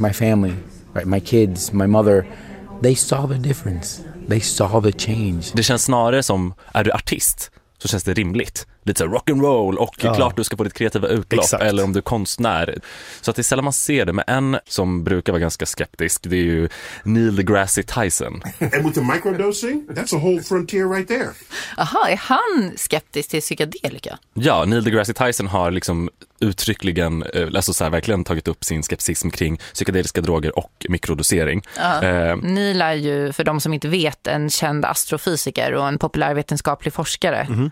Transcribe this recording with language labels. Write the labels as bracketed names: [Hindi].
[English] My family, right? My kids, my mother. They saw the difference. They saw the change. [Swedish] Det känns snarare som, är du artist, så känns det rimligt. Lite så rock and roll, och klart du ska få ditt kreativa utlopp. Exakt. Eller om du är konstnär. Så att det är sällan man ser det. Men en som brukar vara ganska skeptisk, det är ju Neil deGrasse Tyson. [English] And with the microdosing, that's a whole frontier right there. [Swedish] Aha, är han skeptisk till psykedelika? Ja, Neil deGrasse Tyson har liksom uttryckligen, alltså så här, verkligen tagit upp sin skepsism kring psykedeliska droger och mikrodosering. Neil är ju, för de som inte vet, en känd astrofysiker och en populärvetenskaplig forskare.